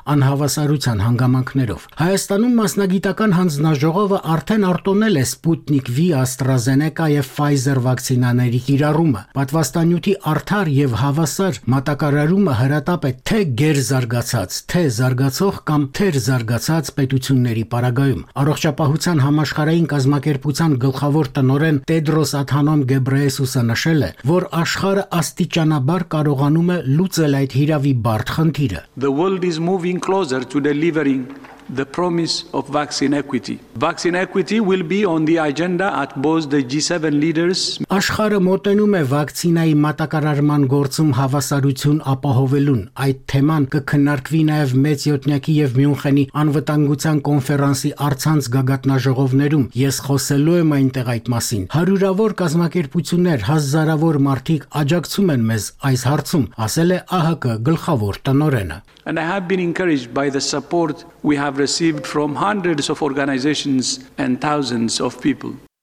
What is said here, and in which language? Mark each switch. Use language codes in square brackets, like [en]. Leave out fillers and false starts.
[hy] անհավասարության հանգամանքներով։ Հայաստանում մասնագիտական հանձնաժողովը արդեն արտոնել է Sputnik V, AstraZeneca և Pfizer վակցինաների կիրառումը, պատվաստանյութի արդար և հավասար մատակարարումը հրատապ է թե գերզարգացած, թե զարգացող կամ թեր զարգացած պետությունների պարագայում։ Առողջապահության համաշխարհային կազմակերպության գլխավոր տնօրեն Տեդրոս Աթանոմ Գեբրեյեսուսը նշել է, որ աշխարհը աստիճանաբար կարողանում է լուծել այդ հիրավի բարդ խնդիրը։ [en] The world is moving closer to delivering the promise of vaccine equity. Vaccine equity will be on the agenda at both the G7 leaders. [hy] Աշխարհը մոտենում է վակցինայի մատակարարման գործում հավասարություն ապահովելուն։ Այդ թեման կքննարկվի նաև մեծ յոթնյակի եւ Մյունխենի անվտանգության կոնֆերանսի առցանց գագաթնաժողովներում։ Ես խոսելու եմ այնտեղ այդ մասին։ Հարյուրավոր կազմակերպություններ, հազարավոր մարդիկ աջակցում են մեզ այս հարցում, ասել է ԱՀԿ գլխավոր տնօրենը։ [en] And I have been encouraged by the support we have received from hundreds of organizations and thousands of people.